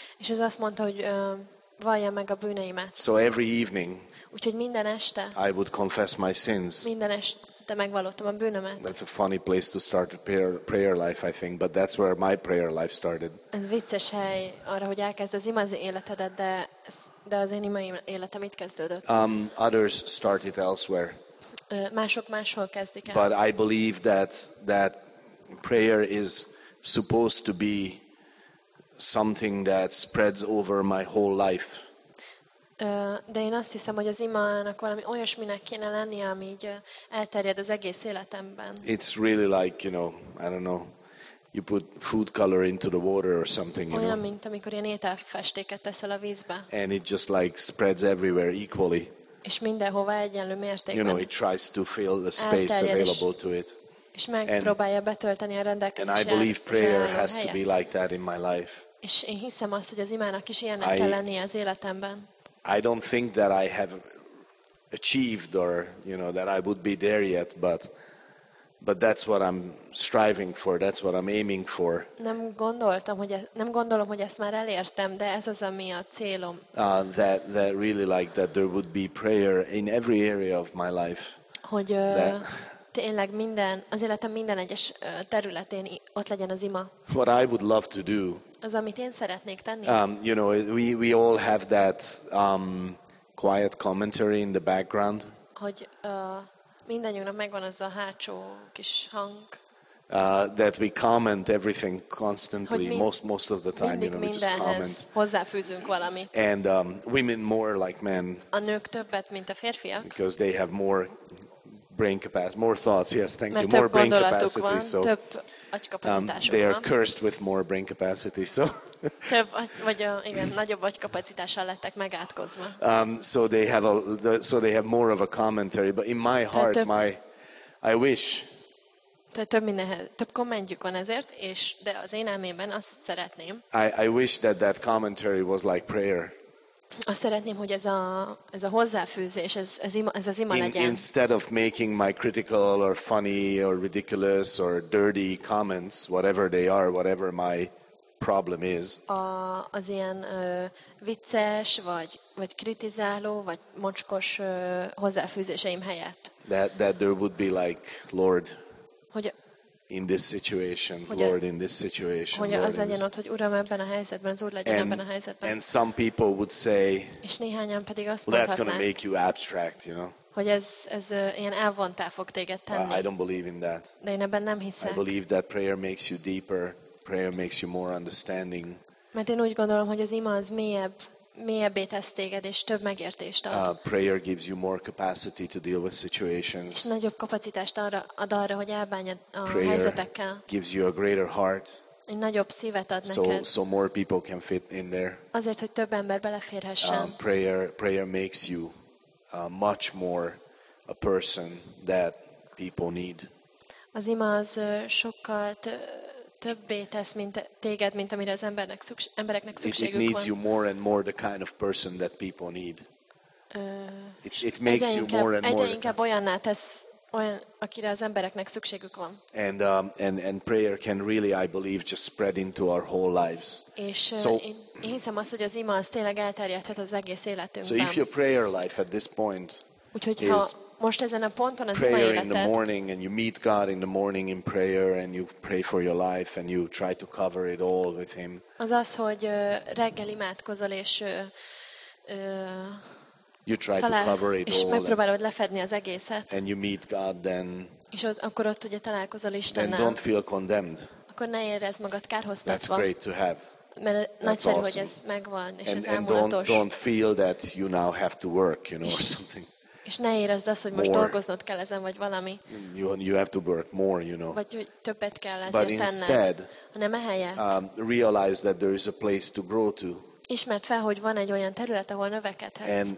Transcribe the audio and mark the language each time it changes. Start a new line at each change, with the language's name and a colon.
Hungarian: És ez azt mondta, hogy valljam meg a bűneimet.
English: So every evening.
Hungarian: Úgyhogy minden este.
English: I would confess my sins.
Hungarian: Minden este. De megvallottam a bűnömet.
English: That's a funny place to start a prayer life, I think, but that's where my prayer life started.
Hungarian: Ez vicces hely arra, hogy elkezd az imazi életedet, de az én imai életem itt kezdődött.
English: Others start it elsewhere.
Hungarian: Mások máshol kezdik el.
English: But I believe that prayer is supposed to be something that spreads over my whole life.
Hungarian: De én azt hiszem, hogy az imának valami olyasminek kéne lenni, ami így elterjed az egész életemben.
English: It's really like, you know, I don't know, you put food color into the water or something, you
Hungarian: olyan,
English: know.
Hungarian: Olyan, mint amikor ilyen ételfestéket teszel a vízbe.
English: And it just like spreads everywhere equally.
Hungarian: És mindenhova egyenlő mértékben.
English: You know, it tries to fill the space available to it.
Hungarian: És megpróbálja betölteni a rendelkezésre.
English: And I believe prayer has to be like that in my life.
Hungarian: És én hiszem azt, hogy az imának is ilyennek kell lennie az életemben.
English: I don't think that I have achieved or, you know, that I would be there yet, but that's what I'm striving for, that's what I'm aiming for.
Hungarian: Nem gondolom, hogy ezt már elértem, de ez az, ami a célom.
English: That really like that there would be prayer in every area of my life.
Hungarian: Hogy tényleg minden, az életem minden egyes területén ott legyen az ima.
English: What I would love to do.
Hungarian: Az, amit én szeretnék tenni.
English: You know, we all have that quiet commentary in the background.
Hungarian: Hogy mindannyiunknak megvan az a hátsó kis hang.
English: That we comment everything constantly, most of the time, you know, we just comment.
Hungarian: Hozzáfűzünk valamit.
English: And women more like men.
Hungarian: A nők többet, mint a férfiak.
English: Because they have more brain capacity, more thoughts, yes, thank
Hungarian: mert
English: you, more brain capacity,
Hungarian: van,
English: so they are cursed with more brain capacity, so so they have more of a commentary, but in my heart, I wish
Hungarian: több kommentjük van ezért, és de az én elmémben azt szeretném,
English: I wish that commentary was like prayer.
Hungarian: Azt szeretném, hogy ez a hozzáfűzés, ez az ima legyen.
English: Instead of making my critical or funny or ridiculous or dirty comments, whatever they are, whatever my problem is.
Hungarian: Az ilyen vicces vagy kritizáló vagy mocskos hozzáfűzéseim helyett.
English: That there would be like Lord.
Hungarian: Hogy
English: in this situation, Lord, in this situation.
Hungarian: Hogy az legyen ott, hogy Uram, ebben a helyzetben, az Úr legyen ebben a helyzetben.
English: And some people would say,
Hungarian: és néhányan pedig azt mondhatnák,
English: that's going to make you abstract, you know.
Hungarian: Hogy ez ilyen elvontá fog téged tenni.
English: I don't believe in that.
Hungarian: De én ebben nem hiszek.
English: I believe that prayer makes you deeper, prayer makes you more understanding.
Hungarian: Mert én úgy gondolom, hogy az ima az mélyebbé tesz téged, és több megértést ad.
English: Prayer gives you more capacity to deal with situations.
Hungarian: És nagyobb kapacitást ad arra, hogy elbánjad a helyzetekkel.
English: Prayer gives you a greater heart.
Hungarian: Egy nagyobb szívet ad neked.
English: So more people can fit in there.
Hungarian: Azért, hogy több ember beleférhessen.
English: Prayer makes you much more a person that people need.
Hungarian: Az ima az sokkal többé tesz, mint téged, mint amire az embereknek szükségük van.
English: It needs you more and more the kind of person that people need. It makes you more and more.
Hungarian: Egyre inkább olyanná tesz, olyan, akire az embereknek szükségük van.
English: And prayer can really, I believe, just spread into our whole lives.
Hungarian: És én hiszem azt, hogy az ima az tényleg elterjedhet az egész életünkben.
English: So if your prayer life at this point
Hungarian: is most ezen a ponton az
English: prayer in the morning and you meet God in the morning in prayer and you pray for your life and you try to cover it all with him.
Hungarian: Az, hogy reggel imádkozol és
English: you try to cover it
Hungarian: és megpróbálod lefedni az egészet.
English: And you meet God then.
Hungarian: És akkor ott ugye találkozol Istennel.
English: Don't feel condemned.
Hungarian: Akkor ne érezd magad kárhoztatva.
English: That's great to have.
Hungarian: Mert nagyszerű, hogy ez megvan és ez elmulatos.
English: Don't feel that you now have to work, you know, or something.
Hungarian: És ne érezd azt, hogy most
English: more.
Hungarian: Dolgoznod kell ezen, vagy valami.
English: You have to work more, you know.
Hungarian: Vagy hogy többet kell ezért
English: But instead,
Hungarian: tenned. Hanem ehelyett.
English: Realize that there is a place to grow to.
Hungarian: Ismerd fel, hogy van egy olyan terület, ahol növekedhetsz.